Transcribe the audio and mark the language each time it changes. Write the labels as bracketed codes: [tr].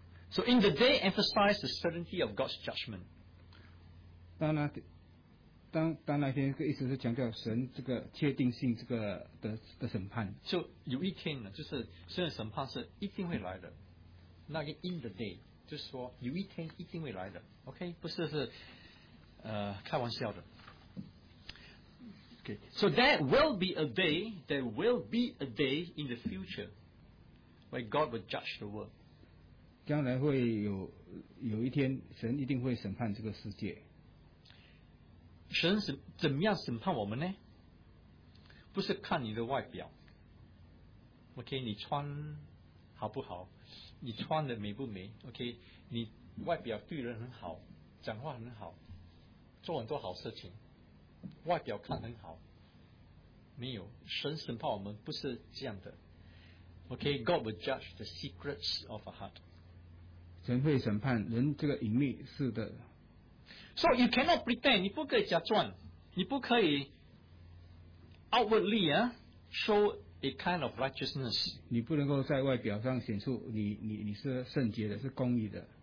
[en] So in the day, emphasize the certainty of God's judgment. [zh] 当那天，意思是强调神这个确定性这个的审判。 So 有一天呢，就是神的审判是一定会来的。那个 [en] in the day [zh] 就是说有一天一定会来的。OK， 不是是开玩笑的。 [en] Okay, so there will be a day in the future where God will judge the world. [zh] 将来会有一天，神一定会审判这个世界。神怎么样审判我们呢？不是看你的外表 ，OK， 你穿好不好？你穿的美不美 ？OK， 你外表对人很好，讲话很好，做很多好事情，外表看很好。没有，神审判我们不是这样的。 [en] OK， God will judge the secrets of our heart. [zh] 神会审判人这个隐秘事的。 [en] So you cannot pretend， [zh] 你不可以假装，你不可以 [en] outwardly show a kind of righteousness。 [zh] 你不能够在外表上显出你是圣洁的，是公义的。